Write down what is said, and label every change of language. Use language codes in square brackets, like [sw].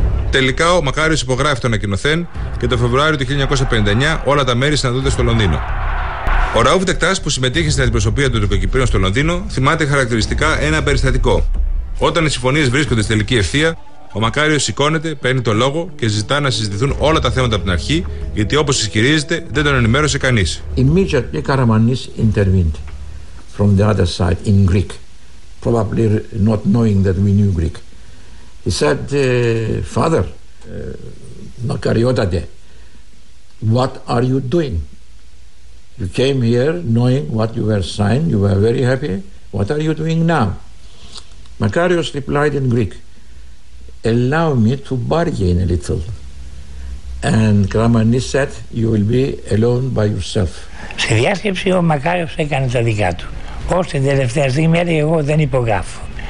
[el] Τελικά ο Μακάριος υπογράφει το ανακοινωθέν και το Φεβρουάριο του 1959 όλα τα μέρη συναντούνται στο Λονδίνο. Ο Ραούφ Ντεκτάς, που συμμετείχε στην αντιπροσωπεία των Τουρκοκυπρίων στο Λονδίνο, θυμάται χαρακτηριστικά ένα περιστατικό. Όταν οι συμφωνίες βρίσκονται στη τελική ευθεία, ο Μακάριος σηκώνεται, παίρνει το λόγο και ζητά να συζητηθούν όλα τα θέματα από την αρχή, γιατί όπως ισχυρίζεται, δεν τον ενημέρωσε κανείς. [en] Immediately, Karamanlis intervened from the other side in Greek, probably not knowing that we knew Greek. He said, Father, Makariotade, what are you doing? You came here knowing what you were signed, you were very happy. What are you doing now? Makarios replied in Greek, allow me to bargain a little. And Karamanlis said, you will be alone by yourself. [el] Σε διάσκεψη ο Μακάριος έκανε τα δικά του. Ως την τελευταία στιγμή έλεγε, εγώ δεν υπογράφω.